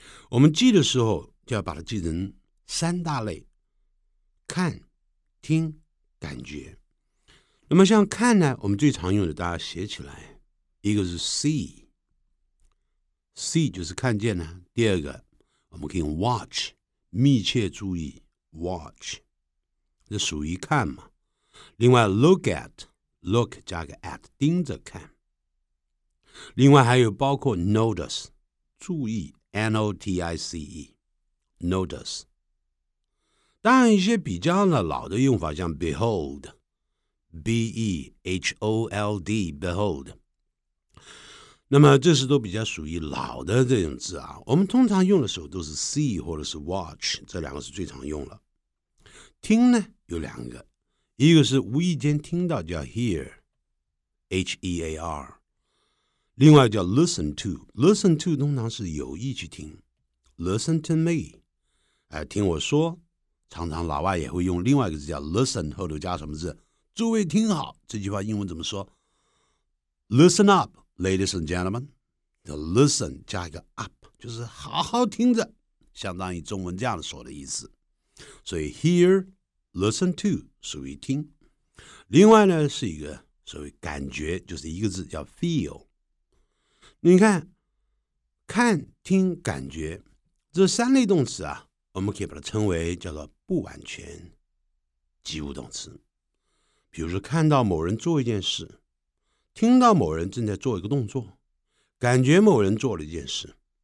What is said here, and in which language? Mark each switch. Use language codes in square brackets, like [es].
[zh] 我们记的时候就要把它记成三大类，看、听、感觉。那么像看呢，我们最常用的大家写起来，一个是 see 就是看见呢，第二个我们可以用 watch， 密切注意 watch， 这属于看嘛。另外 look at， look 加个 at， 盯着看。另外还有包括 notice， 注意 N-O-T-I-C-E， notice。当然一些比较老的用法像 behold， B-E-H-O-L-D， behold。那么这些都比较属于老的这种字啊，我们通常用的时候都是 see 或者是 watch， 这两个是最常用了。听呢有两个，一个是无意间听到叫 hear， H-E-A-R，另外叫 listen to 通常是有意去听， [en] listen to me， [zh] 听我说。常常老外也会用另外一个字叫 listen， 后头加什么字，诸位听好，这句话英文怎么说？ [en] listen up ladies and gentlemen， [zh] listen 加一个 up， 就是好好听着，相当于中文这样说的意思。所以 hear， listen to 属于听。另外呢是一个所谓感觉，就是一个字叫 feel。你看，看、听、感觉这三类动词啊，我们可以把它称为叫做不完全及物动词。比如说看到某人做一件事，听到某人正在做一个动作，感觉某人做了一件事。